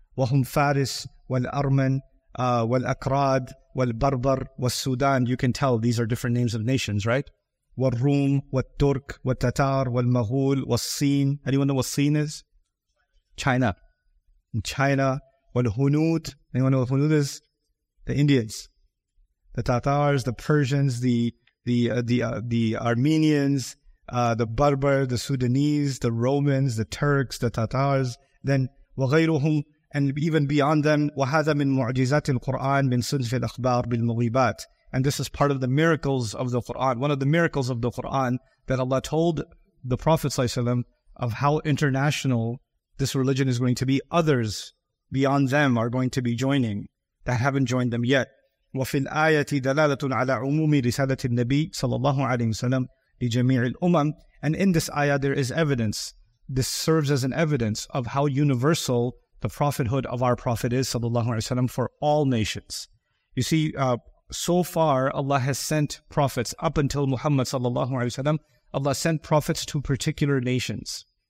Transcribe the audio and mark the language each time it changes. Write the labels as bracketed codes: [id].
[ar] وهم فارس والأرمن والأكراد والبربر والسودان. [en] You can tell these are different names of nations, right? [ar] والروم والترك والتتار والمغول والصين. [en] Anyone know what Sin is? China. China. والهنود. Anyone know what Hunud is? The Indians. The Tatars, the Persians, the Armenians, the Barbar, the Sudanese, the Romans, the Turks, the Tatars. Then وغيرهم. And even beyond them, [ar] وَهَذَا مِنْ مُعْجِزَاتِ الْقُرْآنِ مِنْ صُنْفِ الْأَخْبَارِ بِالْمُغِيبَاتِ [en] And this is part of the miracles of the Qur'an. One of the miracles of the Qur'an that Allah told the Prophet ﷺ of how international this religion is going to be. Others beyond them are going to be joining that haven't joined them yet. [ar] وَفِي الْآيَةِ دَلَالَةٌ عَلَىٰ عُمُومِ رِسَالَةِ النَّبِيِّ صَلَى اللَّهُ عَلَيْهِ وَسَلَمْ لِجَمِيعِ الْأُمَمِ [en] And in this ayah, there is evidence. This serves as an evidence of how universal the prophethood of our Prophet is, sallallahu alayhi wa sallam, for all nations. You see, so far, Allah has sent prophets up until Muhammad, sallallahu alayhi wa sallam, Allah sent prophets to particular nations,